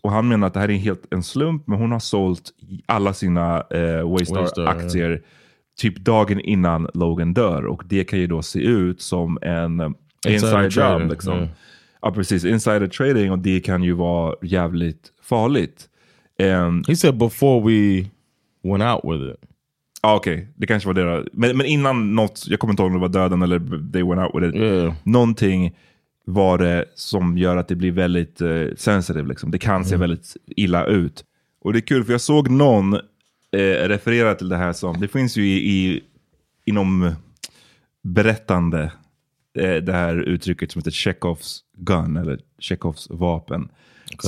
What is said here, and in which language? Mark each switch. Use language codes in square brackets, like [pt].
[sv] Och han menar att det här är helt en slump. Men hon har sålt alla sina Waystar-aktier. [en] Yeah. [sv] Typ dagen innan Logan dör. Och det kan ju då se ut som en [en] inside job. [sv] Liksom. [en] Yeah. [sv] Ja, precis. [en] Insider trading. [sv] Och det kan ju vara jävligt farligt. [en] He said before we went out with it. [sv] Ja, okej. [en] Okay. [sv] Det kanske var det. Men innan något, jag kommer inte ihåg om det var döden eller [en] they went out with it. Yeah. [sv] Någonting var det som gör att det blir väldigt [en] sensitive. [sv] Liksom. Det kan se väldigt illa ut. Och det är kul, för jag såg någon referera till det här som, det finns ju inom berättande det här uttrycket som heter Chekhovs gun eller Chekhovs vapen. [en] Okay.